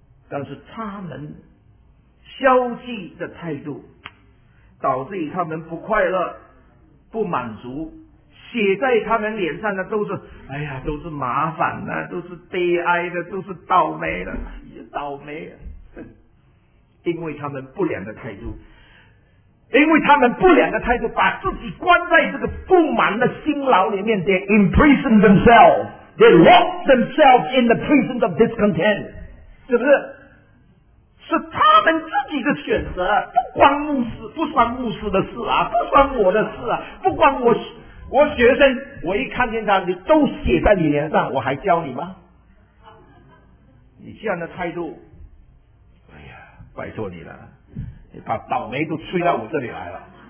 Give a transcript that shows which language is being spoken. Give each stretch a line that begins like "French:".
Chinese: 但是他们消极的态度导致于他们不快乐不满足，写在他们脸上的都是，哎呀，都是麻烦的，都是悲哀的，都是倒霉的，倒霉了。因为他们不良的态度，因为他们不良的态度，把自己关在这个不满的心牢里面。
English: They imprison themselves, they lock themselves in the prison of discontent,
Chinese: 是不是？是他们自己的选择，不关牧师，不关牧师的事啊，不关我的事啊，不关我学生，我一看见他，你都写在你脸上，我还教你吗？你这样的态度，哎呀，拜托你了，你把倒霉都吹到我这里来了。